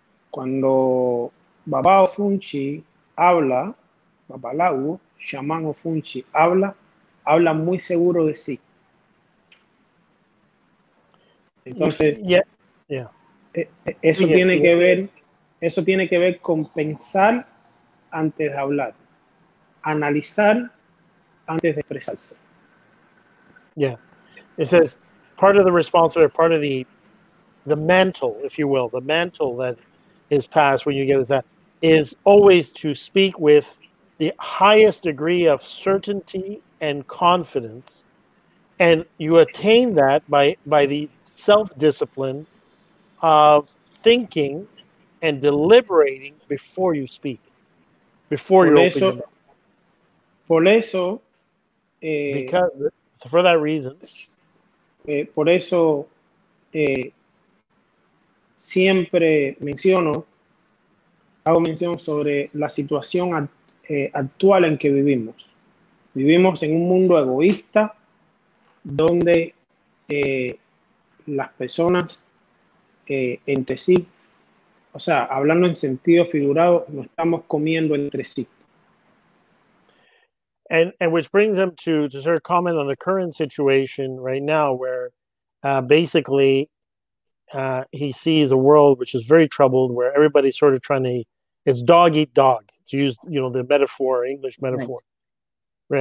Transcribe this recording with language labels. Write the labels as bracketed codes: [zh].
[es] Cuando Baba Ofunchi habla, Babalawo, Shaman Ofunchi habla muy seguro de sí. Entonces, [en] yeah. [es] Eso yeah. tiene que ver, eso tiene que ver con pensar antes de hablar, analizar antes de expresarse. [en] Yeah. It says part of the responsibility, part of the mantle, if you will, the mantle that is passed when you get that. Is always to speak with the highest degree of certainty and confidence. And you attain that by the self-discipline of thinking and deliberating before you speak, before you open your mouth. [es] Por eso, [en] because, for that reason. [es] Por eso, siempre menciono. Hago mención sobre la situación actual en que vivimos. Vivimos en un mundo egoísta donde las personas entre sí O sea, hablando en sentido figurado, no estamos comiendo entre sí. [en] And which brings them to sort of comment on the current situation right now, where basically he sees a world which is very troubled, where everybody's sort of trying to, it's dog eat dog, to use, you know, the metaphor, English metaphor. Right.